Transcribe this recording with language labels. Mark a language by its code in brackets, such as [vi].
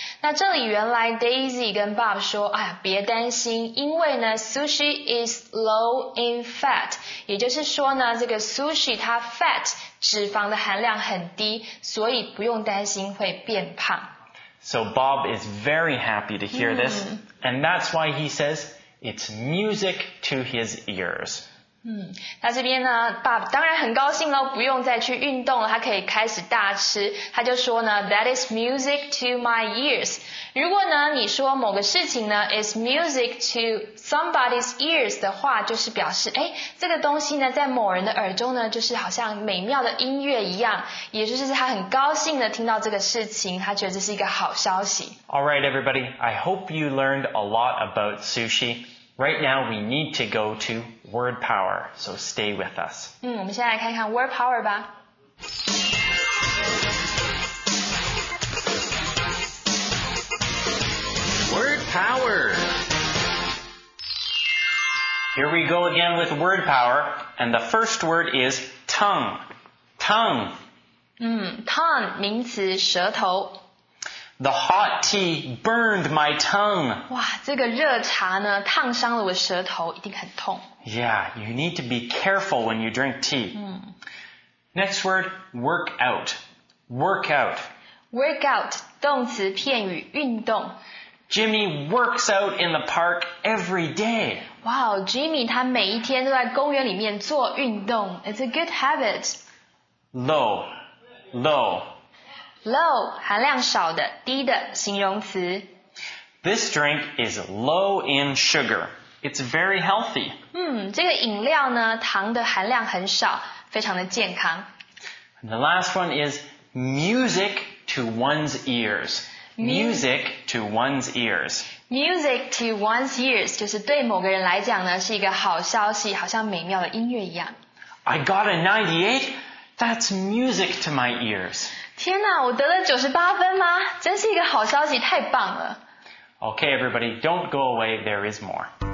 [zh] 那这里原来 Daisy 跟 Bob 说哎呀别担心因为呢 [en] sushi is low in fat, [zh] 也就是说呢这个 sushi 它 fat, 脂肪的含量很低所以不用担心会变胖。 [en] So Bob is very happy to hear this, and that's why he says it's music to his ears. [zh] 那这边呢 ,Bob 当然很高兴咯不用再去运动了他可以开始大吃。他就说呢 , [en] that is music to my ears. [zh] 如果呢你说某个事情呢 , [en] is music to somebody's ears [zh] 的话就是表示诶这个东西呢在某人的耳中呢就是好像美妙的音乐一样。也就是他很高兴的听到这个事情他觉得这是一个好消息。 [en] Alright, everybody, I hope you learned a lot about sushi. Right now, we need to go to Word Power, so stay with us. [zh] 我们先来看看 Word Power 吧。 [en] Word Power! Here we go again with Word Power, and the first word is tongue. Tongue. [zh] Tongue, 名词舌头。 [en] The hot tea burned my tongue. [zh] 哇，这个热茶呢，烫伤了我舌头，一定很痛。 [en] Yeah, you need to be careful when you drink tea. Next word, work out. Work out. [zh] Workout, 动词片语运动。 [en] Jimmy works out in the park every day. [zh] Wow, Jimmy 他每一天都在公园里面做运动。 [en] It's a good habit. Low, low. [zh] Low, 含量少的低的形容词。 [en] This drink is low in sugar. It's very healthy. [zh] 这个饮料呢糖的含量很少非常的健康。 [en] And the last one is music to one's ears. Music to one's ears. Music to one's ears [zh] 就是对某个人来讲呢是一个好消息好像美妙的音乐一样。 [en] I got a 98? That's music to my ears. [zh] 天哪我得了98分吗真是一个好消息太棒了。 [en] Okay, everybody, don't go away, there is more.